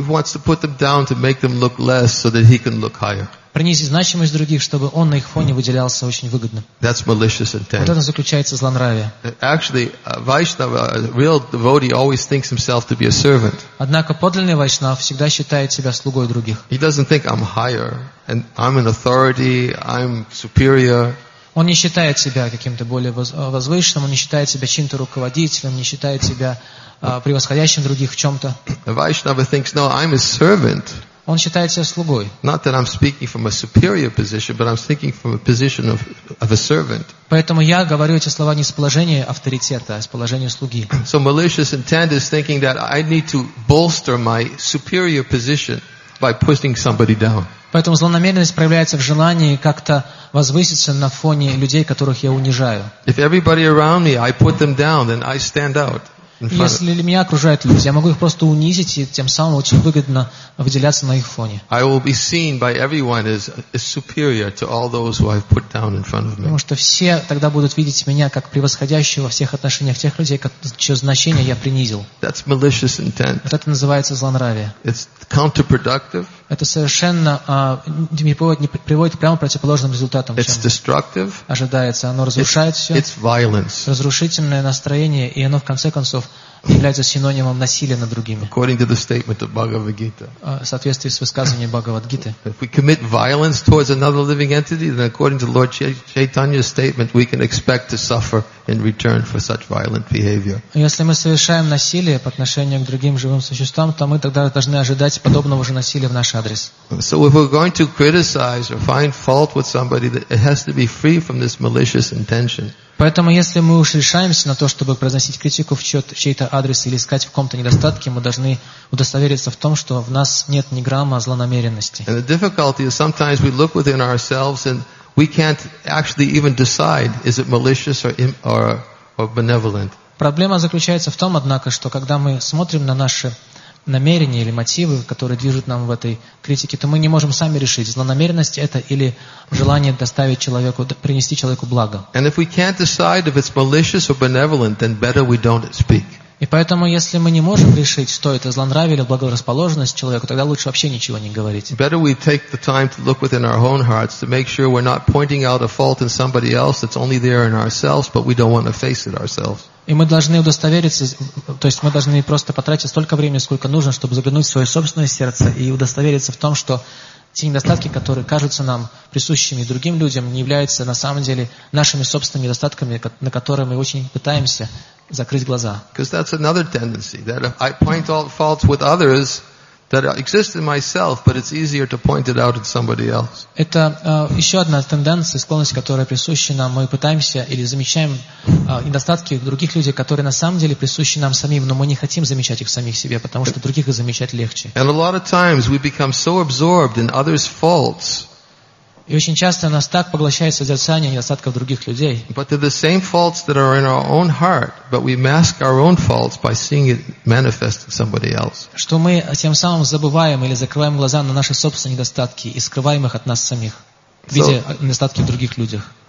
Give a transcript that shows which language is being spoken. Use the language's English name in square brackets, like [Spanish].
[English] He wants to put them down to make them look less, so that he can look higher. [Russian] Принизить значимость других, чтобы он на их фоне выделялся очень выгодно. [English] That's malicious intent. [Russian] Вот это заключается злонравие. [English] Actually, a Vaishnava, a real devotee, always thinks himself to be a servant. [Russian] Однако подлинный вайшнав всегда считает себя слугой других. [English] He doesn't think I'm higher and I'm an authority, I'm superior. [Russian] Он не считает себя каким-то более возвышенным, он не считает себя чьим-то руководителем, не считает себя превосходящим других в чем-то. [English] A Vaishnava thinks, no, I'm a servant. [Russian] Он считает себя слугой. [English] Not that I'm speaking from a superior position, but I'm speaking from a position of a servant. [Russian] Поэтому я говорю эти слова не с положения авторитета, а с положения слуги. [English] So malicious intent is thinking that I need to bolster my superior position by putting somebody down. [Russian] Поэтому злонамеренность проявляется в желании как-то возвыситься на фоне людей, которых я унижаю. [English] If everybody around me, I put them down, then I stand out. [Russian] Если меня окружают люди, я могу их просто унизить, и тем самым очень выгодно выделяться на их фоне. [English] I will be seen by everyone as superior to all those who I've put down in front of me. [Russian] Потому что все тогда будут видеть меня как превосходящего во всех отношениях тех людей, чье значение я принизил. [English] That's malicious intent. [Russian] Вот это называется злонравие. [English] It's counterproductive. [Russian] Это совершенно приводит к прямо противоположным результатам. [English] It's destructive. [Russian] Ожидается, оно разрушает все. [English] It's violence. [Russian] Разрушительное настроение, и оно в конце концов является синонимом насилия над другими. [English] According to the statement of Bhagavad Gita. [Russian] В соответствии с высказыванием Бхагавад Гиты. [English] If we commit violence towards another living entity, then according to Lord Chaitanya's statement, we can expect to suffer in return for such violent behavior. [Russian] Если мы совершаем насилие по отношению к другим живым существам, то мы тогда должны ожидать подобного же насилия в наш адрес. [English] So if we're going to criticize or find fault with somebody, it has to be free from this malicious intention. [Russian] Поэтому, если мы уж решаемся на то, чтобы произносить критику в чей-то адрес или искать в ком-то недостатки, мы должны удостовериться в том, что в нас нет ни грамма злонамеренности. [English] And the difficulty is sometimes we look within ourselves and we can't actually even decide is it malicious or benevolent. [Russian] Проблема заключается в том, однако, что когда мы смотрим на наши намерения или мотивы, которые движут нам в этой критике, то мы не можем сами решить, злонамеренность это или желание доставить человеку, принести человеку благо. [English] And if we can't decide if it's malicious or benevolent, then better we don't speak. [Russian] И поэтому, если мы не можем решить, что это злонравие или благорасположенность человеку, тогда лучше вообще ничего не говорить. [English] Better we take the time to look within our own hearts to make sure we're not pointing out a fault in somebody else that's only there in ourselves, but we don't want to face it ourselves. [Russian] И мы должны удостовериться, то есть мы должны просто потратить столько времени, сколько нужно, чтобы заглянуть в свое собственное сердце и удостовериться в том, что те недостатки, которые кажутся нам присущими другим людям, не являются на самом деле нашими собственными недостатками, на которые мы очень пытаемся закрыть глаза. [English] Because that's another tendency, that if I point out faults with others that exist in myself, but it's easier to point it out at somebody else. [Russian] Это еще одна тенденция, склонность, которая присуща нам. Мы пытаемся или замечаем недостатки других людей, которые на самом деле присущи нам самим, но мы не хотим замечать их самих себе, потому что других их замечать легче. [English] And a lot of times we become so absorbed in others' faults. [Russian] И очень часто нас так поглощает созерцание недостатков других людей. [English] But they're the same faults that are in our own heart, but we mask our own faults by seeing it manifest in somebody else. [Russian] Что мы тем самым забываем или закрываем глаза на наши собственные недостатки и скрываем их от нас самих, видя недостатки в других людях.